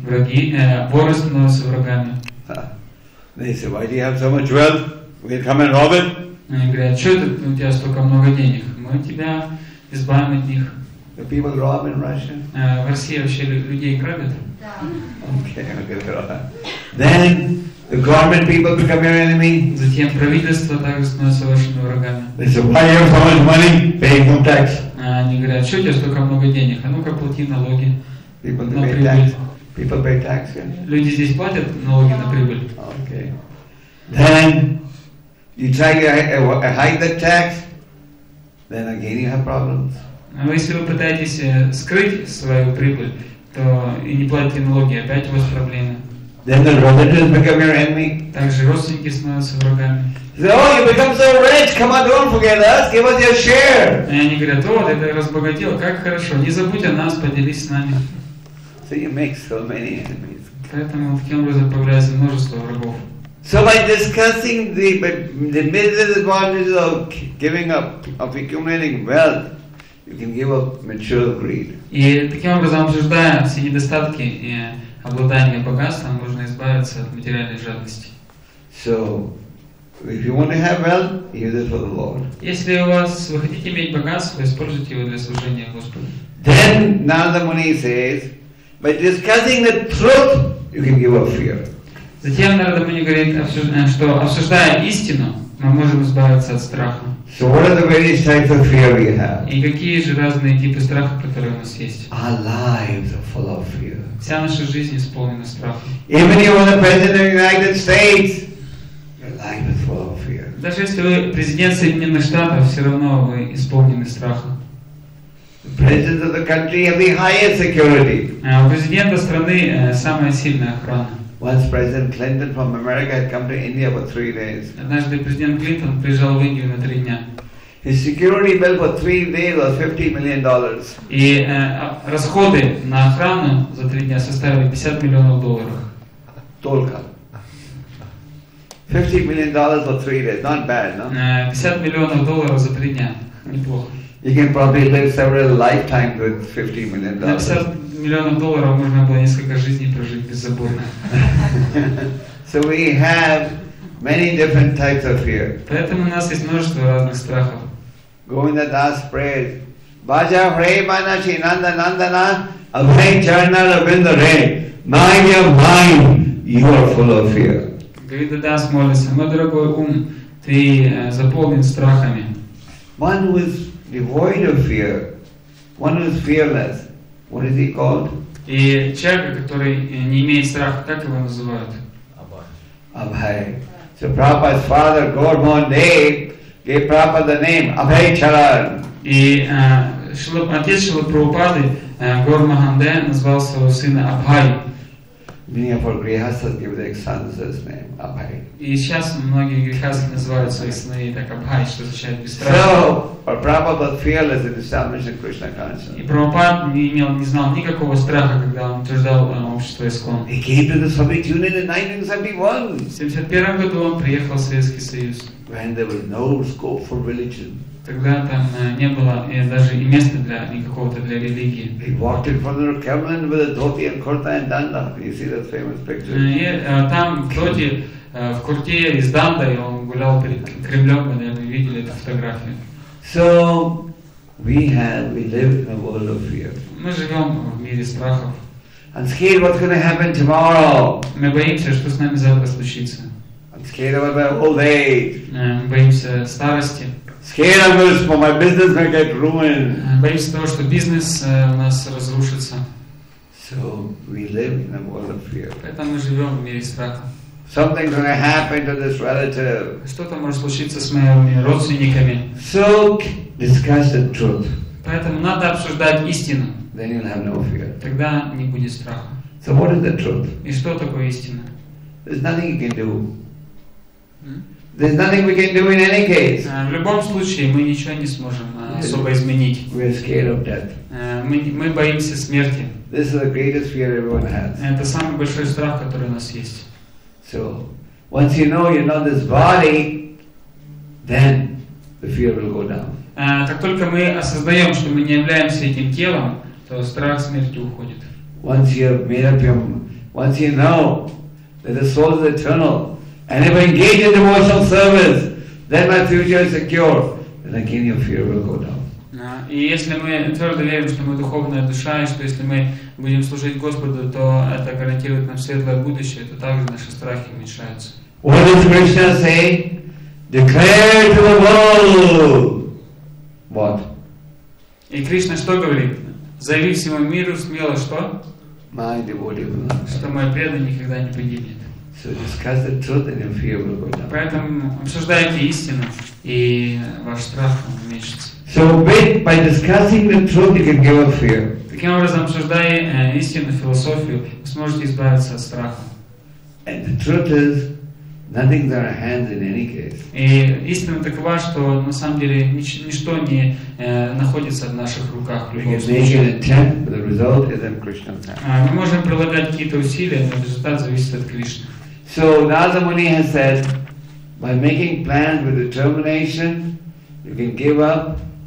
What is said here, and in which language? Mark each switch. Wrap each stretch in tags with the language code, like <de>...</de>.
<ru>Враги, воры становятся врагами.</ru> <en>They say, "Why do you have so much wealth? We'll come and rob it."</en> <ru>Они говорят, что у тебя столько много денег? Мы тебя избавим от них.</ru> <en>The people rob in Russia.</en> <ru>В России вообще людей грабят? Да.</ru> <en>Okay. Then the government people become your enemy.</en> <ru>Затем правительство также становится вашими врагами.</ru> <en>They say, "Why do you have so much money? Pay income tax."</en> <ru>Они говорят, что у тебя столько много денег? А ну-ка плати налоги.</ru> <en>People на pay tax. People pay tax.</en> <ru>Люди здесь платят налоги на прибыль.</ru> <en>Okay. Then you try to hide the tax, then again you have problems.</en> <ru>А если вы пытаетесь скрыть свою прибыль, то и не платите налоги, опять у вас проблемы.</ru> <en>Then the relatives become your enemy.</en> <ru>Также родственники становятся врагами.</ru> <en>They say, "Oh, you become so rich. Come on, don't forget us. Give us your share."</en> <ru>И они говорят: "О, ты разбогател. Как хорошо. Не забудь о нас. Поделись с нами."</ru> <en>So you make so many enemies.</en> <ru>Поэтому таким образом появляется множество врагов.</ru> <en>So by discussing the business advantages of giving up, of accumulating wealth, you can give up mature greed.</en> <ru>И таким образом обсуждая все недостатки и обладания богатством, можно избавиться от материальной жадности.</ru> <en>So if you want to have wealth, use it for the Lord.</en> <ru>Если у вас вы хотите иметь богатство, используйте его для служения Господу.</ru> <en>Then Narada Muni says, by discussing the truth, you can give up fear.</en> <ru>Затем Нарада Муни говорит, что обсуждая истину, мы можем избавиться от страха.</ru> <en>So what are the various types of fear we have?</en> <ru>И какие же разные типы страха, которые у нас есть?</ru> <en>Our lives are full of fear.</en> <ru>Вся наша жизнь исполнена страха.</ru> <en>Even if you are the president of the United States, your life is full of fear.</en> <ru>Даже если вы президент Соединенных Штатов, все равно вы исполнены страха.</ru> <en>The president of the country has the highest security.</en> <ru>У президента страны самая сильная охрана.</ru> <en>Once President Clinton from America had come to India for 3 days.</en> <ru>Однажды президент Клинтон приезжал в Индию на 3 дня.</ru> <en>His security bill for 3 days was $50 million.</en> <ru>И расходы на охрану за 3 дня составили $50 миллионов. Только.</ru> <en>$50 million for 3 days, not bad, no?</en> <ru>$50 миллионов за 3 дня, неплохо.</ru> <en>You can probably live several lifetimes with $50 million.</en> <ru>Миллионов долларов можно было несколько жизней прожить беззаботно.</ru> <en>So we have many different types of fear.</en> <ru>Поэтому у нас есть множество разных страхов.</ru> <en>Govinda Das prays,</en> <bn>Baja Hray Mana Shri Nanda Nandana Abhay Charna Ravinda Re</bn> <en>Mind your mind, you are full of fear.</en> <ru>Govinda Das молится, мой дорогой ум, ты заполнен страхами.</ru> <en>One who is devoid of fear, one who is fearless, what is he called?</en> <ru>И человек, который не имеет страха, как его называют?</ru> <en>Abhay. So Prabhupada's father, Gormohan Dev, gave Prabhupada the name Abhay Charan.</en> <ru>И отец Шрилы Прабхупады, Гормохан Дев, назвал своего сына Абхай.</ru> <en>Many of our grihasthas give their sons this name, Abhay.</en> <ru>И сейчас многие грихасты называют своих сыновей так Абхай, что означает без страха.</ru> <en>So, or Prabhupada was fearless in establishing Krishna consciousness.</en> <ru>И Прабхупад не знал никакого страха, когда он утверждал общество ИСККОН.</ru> <en>He came to the Soviet Union in 1971.</en> <ru>В 1971 году он приехал в Советский Союз.</ru> <en>When there was no scope for religion.</en> <ru>Тогда там не было даже и места для никакого-то для религии.</ru> <en>He walked in front of the Kremlin with a dhoti and kurta and danda. You see that famous picture?</en> <ru>Там dhoti в курте из данда, и он гулял перед Кремлем, мы наверное видели эту фотографию.</ru> <en>So we live in a world of fear.</en> <ru>Мы живем в мире страхов.</ru> <en>I'm scared what's going to happen tomorrow.</en> <ru>Мы боимся, что с нами завтра случится.</ru> <en>I'm scared about my old age.</en> <ru>Мы боимся старости.</ru> <en>Scared I'm going to, my business will get ruined.</en> <ru>Боимся того, что бизнес у нас разрушится.</ru> <en>So we live in a world of fear.</en> <ru>Поэтому мы живем в мире страха.</ru> <en>Something's going to happen to this relative.</en> <ru>Что-то может случиться с моими родственниками.</ru> <en>So discuss the truth.</en> <ru>Поэтому надо обсуждать истину.</ru> <en>Then you'll have no fear.</en> <ru>Тогда не будет страха.</ru> <en>So what is the truth?</en> <ru>И что такое истина?</ru> <en>There's nothing you can do. There's nothing we can do in any case.</en> <ru>В любом случае мы ничего не сможем особо изменить.</ru> <en>We're scared of death.</en> <ru>Мы боимся смерти.</ru> <en>This is the greatest fear everyone has.</en> <ru>Это самый большой страх, который у нас есть.</ru> <en>So once you know this body, then the fear will go down.</en> <ru>Так только мы осознаем, что мы не являемся этим телом, то страх смерти уходит.</ru> <en>Once you have made up your, once you know that the soul is eternal, and if I engage in devotional service, then my future is secure. Then again, your fear will go down.</en> <ru>И если мы твердо верим, что мы духовная душа, и что если мы будем служить Господу, то это гарантирует нам светлое будущее, то также наши страхи уменьшаются.</ru> <en>What does Krishna say? Declare to the world. What?</en> <ru>И Кришна что говорит? Заяви всему миру смело, что?</ru> <en>My devotee will not die.</en> <ru>Что мой преданный никогда не погибнет.</ru> <en>So discuss the truth and your fear will go down.</en> <ru>Поэтому обсуждайте истину, и ваш страх уменьшится.</ru> <en>So by discussing the truth, you can give up fear.</en> <ru>Таким образом, обсуждая истинную философию, вы сможете избавиться от страха.</ru> <en>And the truth is, nothing in our hands in any case.</en> <ru>И истина такова, что на самом деле ничто не находится в наших руках.</ru> <en>We can make an attempt, but the result is in Krishna's hands.</en> <ru>Мы можем прилагать какие-то усилия, но результат зависит от Кришны.</ru> <en>So Narada Muni has said, by making plans with determination, you can give up.</en>